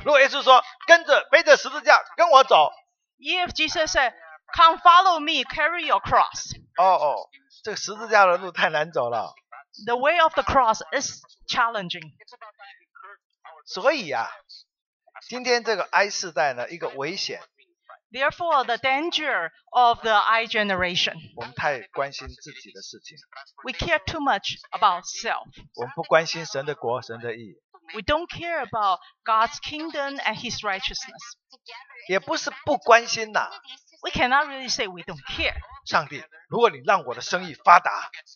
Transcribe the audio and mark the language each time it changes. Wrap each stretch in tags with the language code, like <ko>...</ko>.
<zh>如果耶稣说跟着背着十字架跟我走。</zh> <en>If Jesus said, come follow me, carry your cross.</en> <zh>哦哦，这个十字架的路太难走了。</zh> <en>The way of the cross is challenging.</en> <zh>所以啊，今天这个 I 世代呢，一个危险。</zh> <en>Therefore, the danger of the I generation.</en> <zh>我们太关心自己的事情。</zh> <en>We care too much about self.</en> <zh>我们不关心神的国，神的义。</zh> <en>We don't care about God's kingdom and His righteousness.</en> <zh>也不是不关心呐。</zh> <en>We cannot really say we don't care.</en> <zh>上帝，如果你让我的生意发达</zh>